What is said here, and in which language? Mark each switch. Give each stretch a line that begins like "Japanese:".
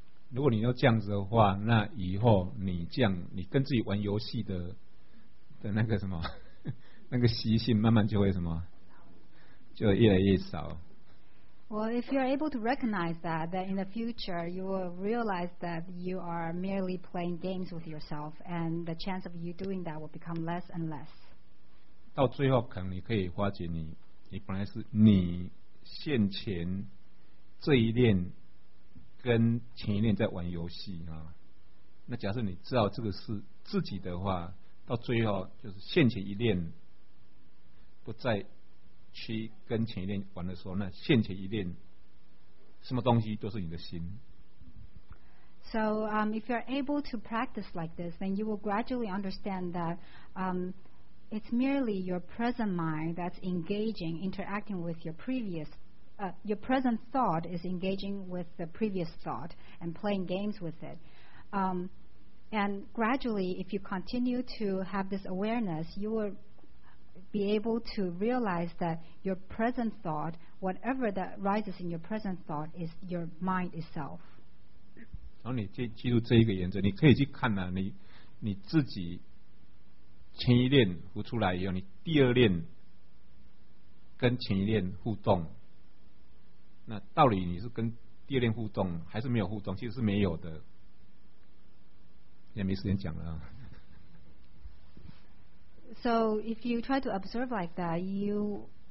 Chinese: 如果你要这样子的话，那以后你这样，你跟自己玩游戏的那个什么，那个习性慢慢就会什么，就越来越少。
English: Well, if you are able to recognize that, then in the future you will realize that you are merely playing games with yourself, and the chance of you doing that will become less and less.
Chinese: 到最后，可能你可以发觉你本来是你现前这一念跟前一念在玩游戏啊。那假设你知道这个是自己的话，到最后就是现前一念不再。去跟前一念玩的时候，那现前一念什么东西都是你的心。
English: So, if you're able to practice like this, then you will gradually understand that it's merely your present mind that's engaging, interacting with your previous, your present thought is engaging with the previous thought and playing games with it. And gradually, if you continue to have this awareness, you will. Be able to realize that your present thought, whatever that rises in your present thought, is your mind itself.
Chinese: 然后你记住这一个原则，你可以去看呐、啊，你自己前一念浮出来以后，你第二念跟前一念互动，那道理你是跟第二念互动，还是没有互动？其实是没有的，也没时间讲了、啊。
English: So if you try to observe like that, you